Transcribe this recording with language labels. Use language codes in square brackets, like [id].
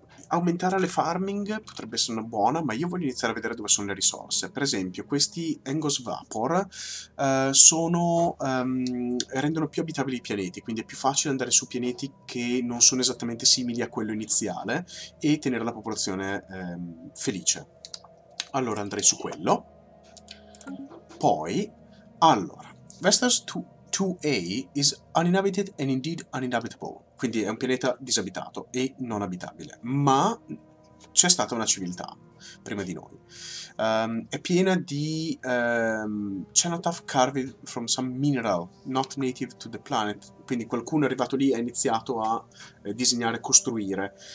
[it] Aumentare le farming potrebbe essere una buona, ma io voglio iniziare a vedere dove sono le risorse. Per esempio, questi Angos Vapor rendono più abitabili i pianeti, quindi è più facile andare su pianeti che non sono esattamente simili a quello iniziale e tenere la popolazione felice. Allora andrei su quello. Poi, allora, [en] Vestas 2A is uninhabited and indeed uninhabitable. [it] Quindi è un pianeta disabitato e non abitabile, ma c'è stata una civiltà prima di noi. È piena di [en] cenotaph carved from some mineral not native to the planet. [it] Quindi qualcuno è arrivato lì e ha iniziato a disegnare e costruire.